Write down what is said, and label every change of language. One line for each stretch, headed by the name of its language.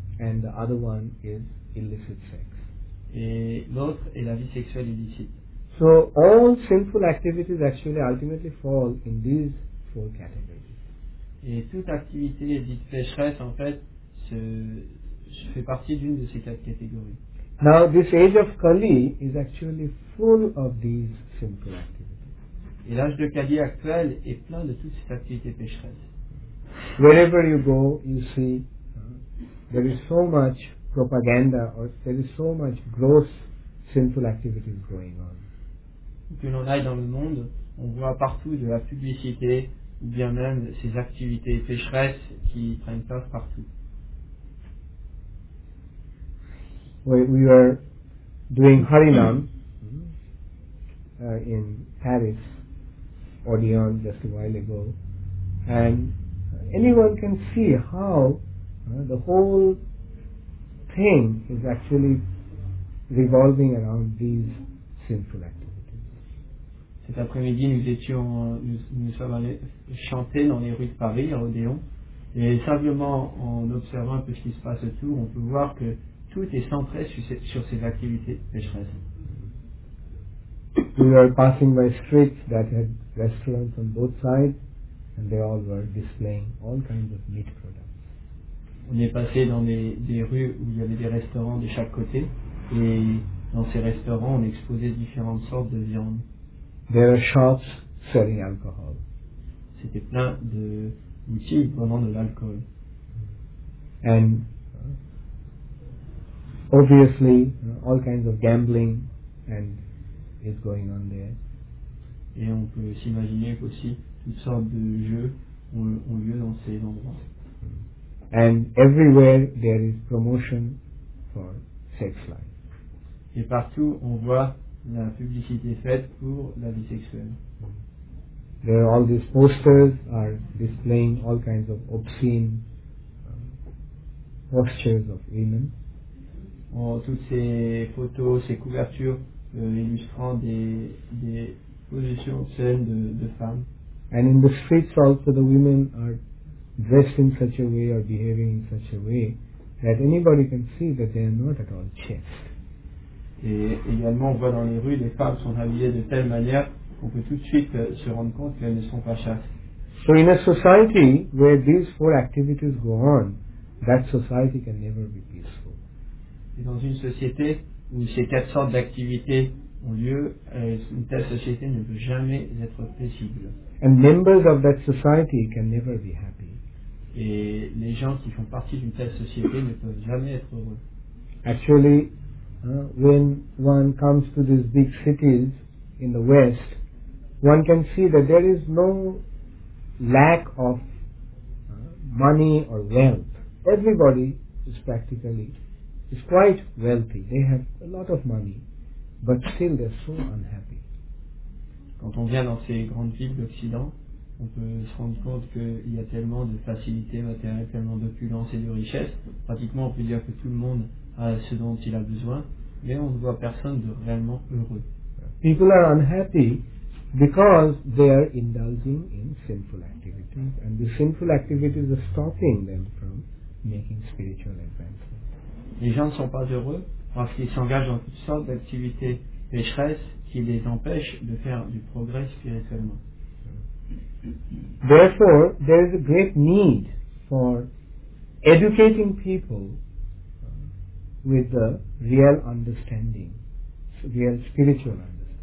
English: And the other one is illicit sex.
French: Et l'autre est la vie sexuelle illicite.
English: So all sinful activities actually ultimately fall in these four categories.
French: Et toute activité dite pécheresse en fait se fait partie d'une de ces quatre catégories.
English: Now this age of Kali is actually full of these sinful activities.
French: Et l'âge de Kali actuel est plein de toutes ces activités pécheresses.
English: Wherever you go, you see there is so much propaganda or there is so much gross sinful activities going on.
French: Que l'on aille dans le monde, on voit partout de la publicité ou bien même ces activités pécheresses qui prennent place partout.
English: We were doing Harinam in Paris, Odeon, just a while ago, and anyone can see how the whole thing is actually revolving around these sinful activities.
French: Cet après-midi, nous sommes allés chanter dans les rues de Paris, à Odéon, et simplement en observant un peu ce qui se passe autour, on peut voir que tout est centré sur ces activités pécheresses.
English: We were passing by streets that had restaurants on both sides, and they all were displaying all kinds of meat products.
French: On est passé dans des rues où il y avait des restaurants de chaque côté, et dans ces restaurants, on exposait différentes sortes de viandes.
English: There are shops selling alcohol.
French: C'était plein de boutiques vendant de l'alcool.
English: And obviously, all kinds of gambling and is going on there.
French: Et on peut s'imaginer qu'aussi toutes sortes de jeux ont lieu dans ces endroits.
English: And everywhere there is promotion for sex life.
French: Et partout on voit la publicité faite pour la vie sexuelle.
English: There are all these posters are displaying all kinds of obscene postures of women.
French: Toutes ces photos, ces couvertures illustrant des positions obscènes de femmes.
English: And in the streets also the women are dressed in such a way or behaving in such a way that anybody can see that they are not at all chaste.
French: Et également, on voit dans les rues, les femmes sont habillées de telle manière qu'on peut tout de suite se rendre compte qu'elles ne sont pas chastes.
English: So in a society where these four activities go on, that society can never be peaceful.
French: Et dans une société où ces quatre sortes d'activités ont lieu, une telle société ne peut jamais être paisible.
English: And members of that society can never be happy.
French: Et les gens qui font partie d'une telle société ne peuvent jamais être heureux.
English: Actually, when one comes to these big cities in the West, one can see that there is no lack of money or wealth. Everybody is quite wealthy. They have a lot of money, but still they're so unhappy.
French: Quand on vient dans ces grandes villes d'Occident, on peut se rendre compte qu'il y a tellement de facilités matérielles, tellement d'opulence et de richesses. Pratiquement, on peut dire que tout le monde a ce dont il a besoin. Mais on ne voit personne de réellement heureux.
English: People are unhappy because they are indulging in sinful activities, and the sinful activities are stopping them from making spiritual advancement.
French: Les gens ne sont pas heureux parce qu'ils s'engagent dans toutes sortes d'activités pécheresses qui les empêchent de faire du progrès spirituellement.
English: Therefore, there is a great need for educating people with the real understanding, real spiritual understanding.